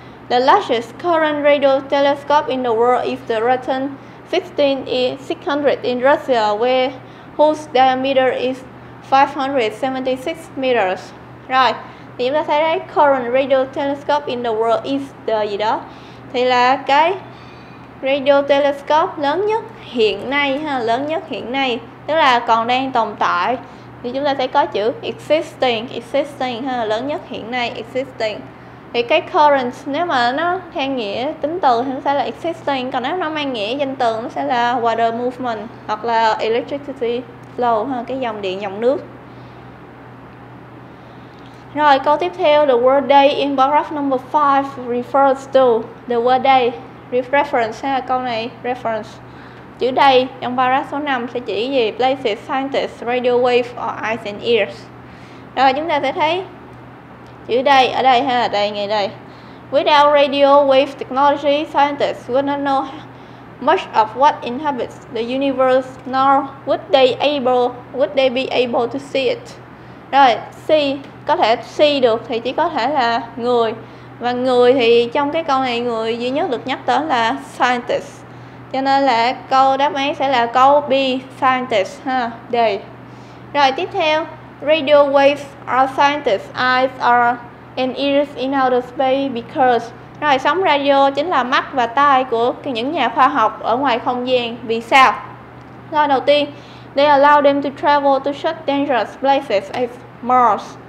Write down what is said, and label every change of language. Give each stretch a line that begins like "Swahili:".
English: The largest current radio telescope in the world is the Raton 16600 in Russia, whose diameter is 576 meters. Right.
Vietnamese: Thì chúng ta thấy đấy,
English: current radio telescope in the world is the
Vietnamese: gì đó. Thì là cái radio telescope lớn nhất hiện nay ha, lớn nhất hiện nay, tức là còn đang tồn tại. Thì chúng ta sẽ có chữ existing ha, lớn nhất hiện nay existing. Thì cái current nếu mà nó theo nghĩa tính từ thì nó sẽ là existing, còn nếu nó mang nghĩa danh từ nó sẽ là
English: water movement
Vietnamese: hoặc là
English: electricity flow
Vietnamese: ha, cái dòng điện, dòng nước. Rồi câu tiếp theo,
English: the word day in paragraph number 5 refers to. The word day reference
Vietnamese: ha, câu này
English: reference.
Vietnamese: Chữ day trong paragraph số 5 sẽ chỉ gì?
English: Places, scientists, radio waves or eyes and ears.
Vietnamese: Rồi chúng ta sẽ thấy chữ đây ở đây ha, đây ngay đây.
English: Without radio wave technology, scientists would not know much of what inhabits the universe, nor would they be able to see it.
Vietnamese: Rồi, see, có thể see được thì chỉ có thể là người. Và người thì trong cái câu này người duy nhất được nhắc tới là scientists. Cho nên là câu đáp án sẽ là câu B, scientists ha, đây. Rồi tiếp theo,
English: radio waves are scientists' eyes are and ears in outer space because.
Vietnamese: Rồi sóng radio chính là mắt và tai của những nhà khoa học ở ngoài không gian. Vì sao? Rồi đầu tiên,
English: they allow them to travel to such dangerous places as Mars.